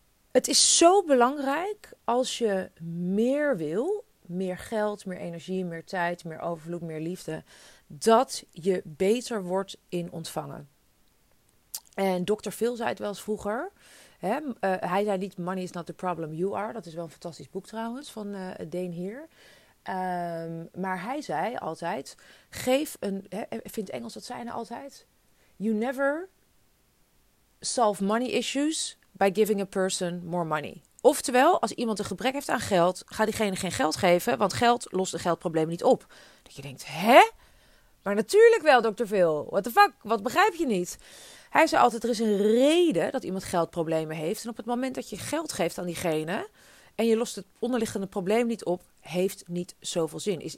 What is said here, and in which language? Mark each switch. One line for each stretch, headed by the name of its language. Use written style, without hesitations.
Dutch: Het is zo belangrijk als je meer wil, meer geld, meer energie, meer tijd, meer overvloed, meer liefde, dat je beter wordt in ontvangen. En Dr. Phil zei het wel eens vroeger. Hij zei niet,
English: money is not the problem, you are.
Dutch: Dat is wel een fantastisch boek trouwens van Dane Heer. Maar hij zei altijd, vindt Engels dat zijn altijd?
English: You never solve money issues by giving a person more money.
Dutch: Oftewel, als iemand een gebrek heeft aan geld, ga diegene geen geld geven, want geld lost de geldproblemen niet op. Dat je denkt, hè? Maar natuurlijk wel, Dr. Phil.
English: What the fuck?
Dutch: Wat begrijp je niet? Hij zei altijd, er is een reden dat iemand geldproblemen heeft. En op het moment dat je geld geeft aan diegene en je lost het onderliggende probleem niet op, heeft niet zoveel zin.